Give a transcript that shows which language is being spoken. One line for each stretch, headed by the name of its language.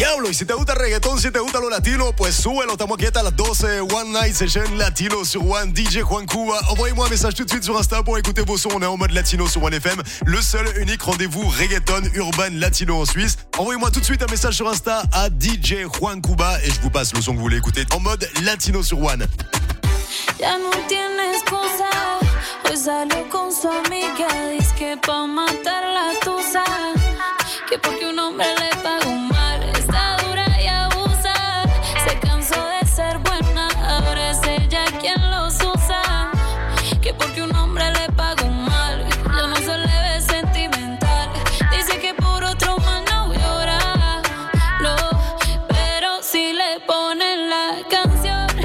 Spanish: Y si te gusta el reggaetón, si te gusta lo latino, pues súbelo. Estamos aquí hasta las 12. One Night Session Latino sur One. DJ Juan Cuba.
French: Envoyez-moi un message tout de suite sur Insta pour écouter vos sons. On est en mode latino sur One FM. Le seul, unique rendez-vous reggaeton urban latino en Suisse. Envoyez-moi tout de suite un message sur Insta à DJ Juan Cuba et je vous passe le son que vous voulez écouter en mode latino sur One.
Spanish: Ya no tiene excusa, hoy salió con su amiga, dice que pa' matar la tusa, que porque un hombre le pagó mal, está dura y abusa, se cansó de ser buena, ahora es ella quien los usa, que porque un hombre le pagó mal, ya no se le ve sentimental, dice que por otro man no llora, no, pero si le ponen la canción.